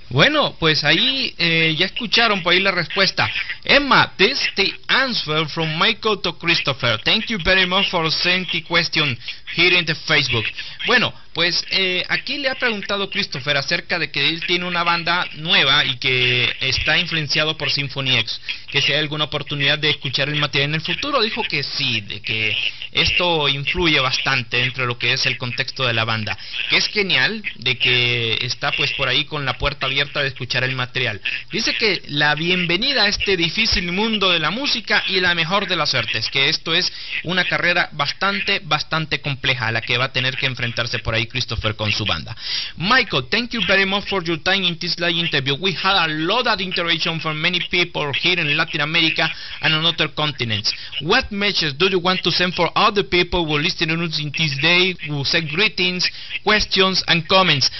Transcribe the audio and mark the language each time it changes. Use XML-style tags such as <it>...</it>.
<es>Bueno, pues ahí ya escucharon por ahí la respuesta.</es> <en>Emma, this is the answer from Michael to Christopher. Thank you very much for sending the question here in the Facebook.</en> <es>Bueno, pues aquí le ha preguntado Christopher acerca de que él tiene una banda nueva y que está influenciado por Symphony X. Que si hay alguna oportunidad de escuchar el material en el futuro. Dijo que sí, de que esto influye bastante dentro de lo que es el contexto de la banda. Que es genial de que está pues por ahí con la puerta abierta de escuchar el material. Dice que la bienvenida a este difícil mundo de la música y la mejor de las suertes. Que esto es una carrera bastante, bastante compleja a la que va a tener que enfrentarse por ahí Christopher con su banda.</es> <en>Michael, thank you very much for your time in this live interview. We had a lot of interaction from many people here in Latin America and on other continents. What messages do you want to send for other people who are listening to us in this day, who send greetings, questions and comments?</en>